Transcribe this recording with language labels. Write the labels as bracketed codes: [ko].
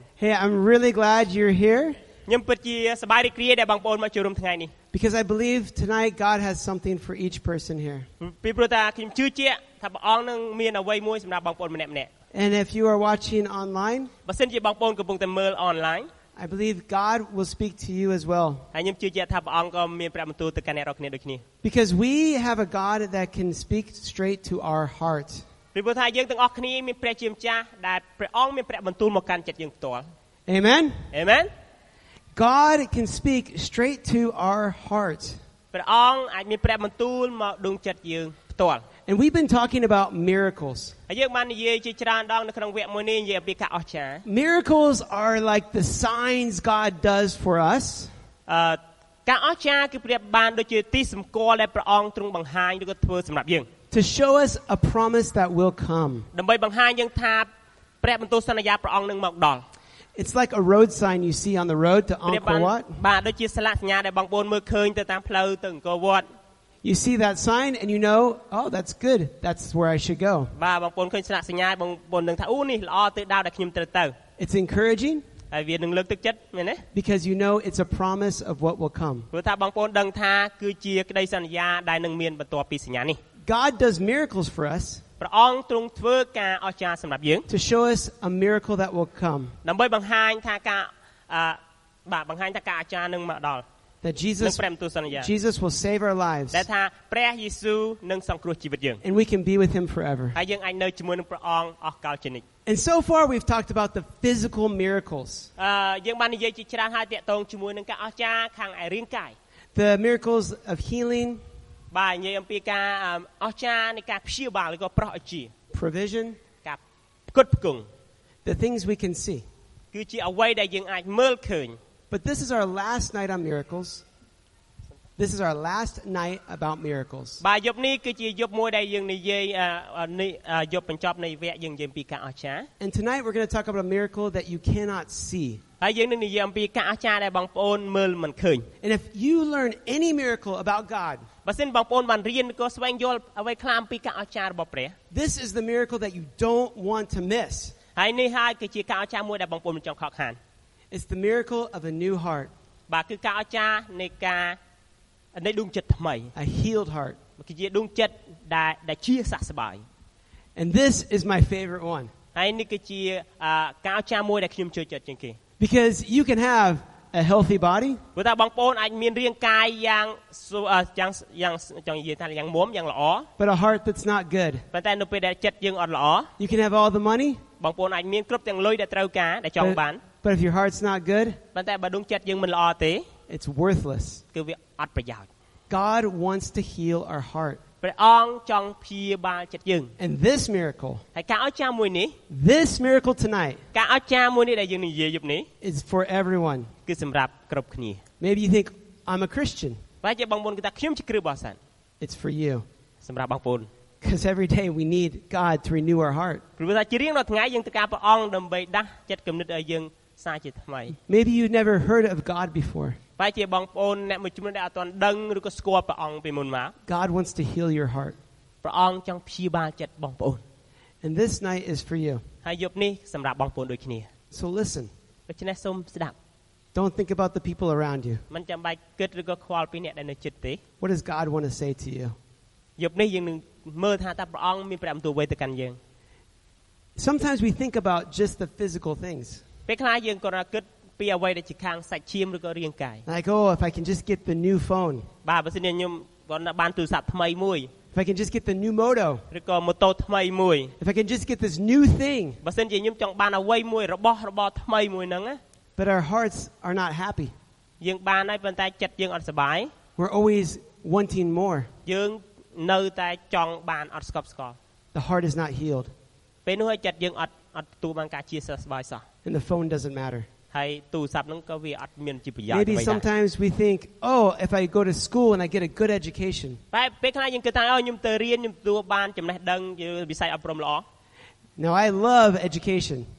[en] ។ Hey, I'm really glad you're here. [km] ខ្ញុំពិតជាសប្បាយរីករាយដែលបងប្អូនមកចូលរួមថ្ងៃនេះ [en] ។ Because I believe tonight God has something for each person here. [km] ពីព្រោះតែខ្ញុំជឿជាក់ថាព្រះអង្គនឹងមានអ្វីមួយសម្រាប់បងប្អូនម្នាក់ម្នាក់ [en] And if you are watching online [km] បើសិនជាបងប្អូនកំពុងតែមើល online [en] I believe God will speak to you as well [km] ហើយខ្ញុំជឿជាក់ថាព្រះអង្គក៏មានព្រះបន្ទូលទៅកាន់អ្នករាល់គ្នាដូចគ្នា [en] Because we have a God that can speak straight to our heart [km] ពីព្រោះថាយើងទាំងអស់គ្នាមានព្រះជាម្ចាស់ដែលព្រះអង្គមានព្រះបន្ទូលមកកាន់ចិត្តយើងផ្ទាល់ [en] Amen Amen God can speak straight to our heart [km] ព្រះអង្គអាចមានព្រះបន្ទូលមកដល់ចិត្តយើងផ្ទាល់ [en] And we've been talking about miracles. [km] យើងបាននិយាយជាច្រើនដងនៅក្នុងវគ្គមួយនេះនិយាយអំពីការអស្ចារ្យ [en] Miracles are like the signs God does for us. [km] ការអស្ចារ្យគឺព្រះបានដូចជាទីសម្គាល់ដែលព្រះអង្គទ្រង់បង្ហាញឬក៏ធ្វើសម្រាប់យើង [en] To show us a promise that will come. [km] ដើម្បីបង្ហាញយើងថាព្រះបន្ទូលសន្យាព្រះអង្គនឹងមកដល់ [en] It's like a road sign you see on the road to Angkor Wat. [km] បាទដូចជាស្លាកសញ្ញាដែលបងប្អូនមើលឃើញទៅតាមផ្លូវទៅអង្គរវត្ត [en] You see that sign and you know, oh, that's good. That's where I should go. [km] បាទបងប្អូនឃើញស្លាកសញ្ញាបងប្អូននឹងថាអូនេះល្អទៅដល់ដែលខ្ញុំត្រូវទៅ [en] It's encouraging. [km] ហើយវានឹងលើកទឹកចិត្តមែនទេ [en] Because you know it's a promise of what will come. [km] ព្រោះថាបងប្អូនដឹងថាគឺជាក្តីសន្យាដែលនឹងមានបន្ទាប់ពីសញ្ញានេះ [en] God does miracles for us. [km] ព្រះអង្គទ្រង់ធ្វើការអស្ចារ្យសម្រាប់យើង [en] To show us a miracle that will come. [km] ដើម្បីបង្ហាញថាការបាទបង្ហាញថាការអស្ចារ្យនឹងមកដល់ [en] That Jesus will save our lives. [km] ដែលថាព្រះយេស៊ូវនឹងសង្គ្រោះជីវិតយើង [en] And we can be with him forever. [km] ហើយយើងអាចនៅជាមួយនឹងព្រះអង្គអស់កលជានិច្ច [en] And so far we've talked about the physical miracles. [km] យើងបាននិយាយជាច្រើនហើយទាក់ទងជាមួយនឹងការអស្ចារ្យខាងរាងកាយ [en] The miracles of healing. [km] បាទនិយាយអំពីការអស្ចារ្យនៃការព្យាបាលឬក៏ប្រោះអជា [en] Provision. [km] ការផ្គត់ផ្គង់ [en] The things we can see. [km] គឺជាអ្វីដែលយើងអាចមើលឃើញ [en] But this is our last night on miracles. This is our last night about miracles. [km] បាទយប់នេះគឺជាយប់មួយដែលយើងនិយាយយប់បញ្ចប់នៃវគ្គយើងនិយាយពីការអស្ចារ្យ [en] And tonight we're going to talk about a miracle that you cannot see. [km] ហើយយើងនឹងនិយាយអំពីការអស្ចារ្យដែលបងប្អូនមើលមិនឃើញ [en] And if you learn any miracle about God. [km] បើសិនបងប្អូនបានរៀនក៏ស្វែងយល់អ្វីខ្លះអំពីការអស្ចារ្យរបស់ព្រះ [en] This is the miracle that you don't want to miss. [km] ហើយនេះហើយគឺជាការអស្ចារ្យមួយដែលបងប្អូនមិនចង់ខកខាន [en] It's the miracle of a new heart. [km] បាទគឺការអស្ចារ្យនៃការនៃដួងចិត្តថ្មី [en] A healed heart. [km] មកជាដួងចិត្តដែលជាសះស្បើយ [en] And this is my favorite one. [km] ហើយនេះគឺជាការអស្ចារ្យមួយដែលខ្ញុំចូលចិត្តជាងគេ [en] Because you can have a healthy body. [km] ព្រោះតែបងប្អូនអាចមានរាងកាយយ៉ាងចង់និយាយថាយ៉ាងមុំយ៉ាងល្អ [en] But a heart that's not good. [km] ប៉ុន្តែនៅពេលដែលចិត្តយើងអត់ល្អ [en] You can have all the money. [km] បងប្អូនអាចមានគ្រប់ទាំងលុយដែលត្រូវការដែលចង់បាន [en] But if your heart's not good, [km] បន្តែបើដួងចិត្តយើងមិនល្អទេ [en] it's worthless. [km] គឺវាអត់ប្រយោជន៍. [en] God wants to heal our heart. [km] ព្រះអង្គចង់ព្យាបាលចិត្តយើង. [en] And this miracle. [km] ហើយការអស្ចារ្យមួយនេះ [en] This miracle tonight. [km] ការអស្ចារ្យមួយនេះដែលយើងនិយាយយប់នេះ [en] is for everyone. [km] គឺសម្រាប់គ្រប់គ្នា. [en] Maybe you think I'm a Christian. [km] បើជាបងប្អូនគិតថាខ្ញុំជាគ្រីស្ទានបោះសិន. [en] It's for you. [km] សម្រាប់បងប្អូន. [en] Because every day we need God to renew our heart. [km] ព្រោះតែជារៀងរាល់ថ្ងៃយើងត្រូវការព្រះអង្គដើម្បីដាស់ចិត្តគំនិតឲ្យយើងសាជាថ្មី [en] Maybe you never heard of God before. [km] បាទជាបងប្អូនអ្នកមួយចំនួនដែលអត់ទាន់ដឹងឬក៏ស្គាល់ព្រះអង្គពីមុនមក [en] God wants to heal your heart. [km] ព្រះអង្គចង់ព្យាបាលចិត្តបងប្អូន [en] And this night is for you. [km] ហើយយប់នេះសម្រាប់បងប្អូនដូចគ្នា [en] So listen. [km] ដូច្នេះសូមស្ដាប់ [en] Don't think about the people around you. [km] មិនចាំបាច់គិតឬក៏ខ្វល់ពីអ្នកដែលនៅជិតទេ [en] What does God want to say to you? [km] យប់នេះយើងនឹងមើលថាតើព្រះអង្គមានព្រះបន្ទូលអ្វីទៅកាន់យើង [en] Sometimes we think about just the physical things. [km] ពេលខ្លះយើងក៏គិតពីអ្វីដែលជាខាងសាច់ឈាមឬក៏រាងកាយ [en] Like oh if I can just get the new phone [km] បាទបើសិនជាខ្ញុំគាត់បានទូរស័ព្ទថ្មីមួយ [en] If I can just get the new moto [km] ឬក៏ម៉ូតូថ្មីមួយ [en] If I can just get this new thing [km] បើសិនជាខ្ញុំចង់បានអ្វីមួយរបស់របរថ្មីមួយហ្នឹង [en] But our hearts are not happy [km] យើងបានហើយប៉ុន្តែចិត្តយើងអត់សប្បាយ [en] We're always wanting more [km] យើងនៅតែចង់បានអត់ស្កប់ស្កល់ [en] The heart is not healed [km] ពេលនោះហើយចិត្តយើងអត់ទទួលបានការជាសះស្បើយសោះ [en] And the phone doesn't matter. ហ Maybe sometimes we think, oh, if I go to school and I get a good education, now I love education.